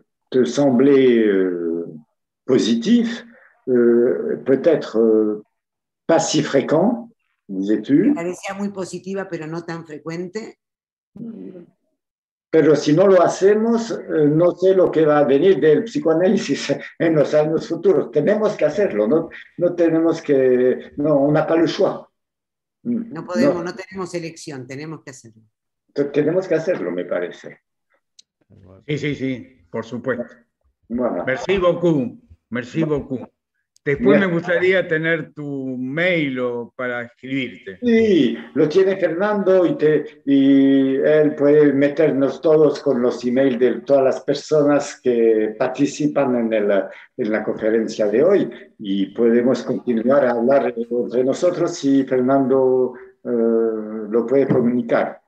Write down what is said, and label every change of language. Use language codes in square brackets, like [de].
[fr] Te semblait positif, peut-être pas si fréquent, disais-tu. [es] Me parecía muy positiva, pero no tan frecuente. Pero si no lo hacemos, no sé lo que va a venir del psicoanálisis en los años futuros. Tenemos que hacerlo, [fr] on n'a pas le choix. [es] No podemos, no tenemos elección, tenemos que hacerlo. Tenemos que hacerlo, me parece. Sí, sí, sí, por supuesto. Bueno. [fr] Merci beaucoup, merci beaucoup. [es] Después me gustaría tener tu mail para escribirte. Sí, lo tiene Fernando y él puede meternos todos con los emails de todas las personas que participan en la conferencia de hoy y podemos continuar a hablar entre nosotros si Fernando lo puede comunicar.